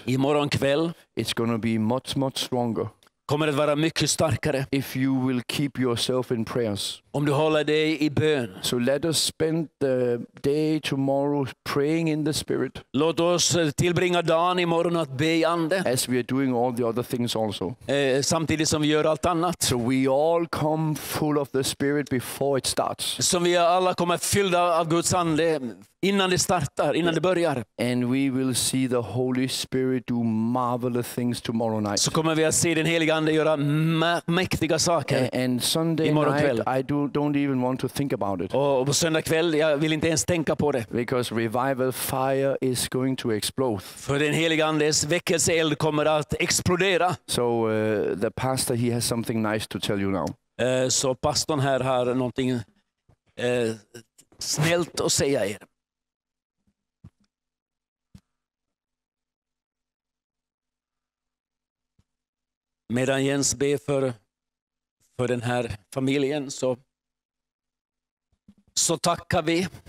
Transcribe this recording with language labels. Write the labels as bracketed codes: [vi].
[sv] Imorgon kväll. [en] It's going to be much, much stronger. [sv] Kommer att vara mycket starkare. [en] If you will keep yourself in prayers. [sv] Om du håller dig i bön. [en] So let us spend the day tomorrow praying in the spirit. [sv] Låt oss tillbringa dagen imorgon att be i ande. [en] As we are doing all the other things also. [sv] Samtidigt som vi gör allt annat. [en] So we all come full of the spirit before it starts. [sv] Så vi alla kommer fyllda av Guds ande innan det startar, innan det börjar. [en] And we will see the Holy Spirit do marvelous things tomorrow night. [sv] Så kommer vi att se den heliga ande göra mäktiga saker. [en] And Sunday [sv] imorgon kväll. [en] Night, don't even want to think about it. [sv] Och på söndag kväll, jag vill inte ens tänka på det. [en] Because revival fire is going to explode. [sv] För den heliga andes väckelse eld kommer att explodera. [en] So the pastor, he has something nice to tell you now. [sv] Så pastorn här har någonting snällt att säga er. Medan Jens ber för den här familjen så tackar vi.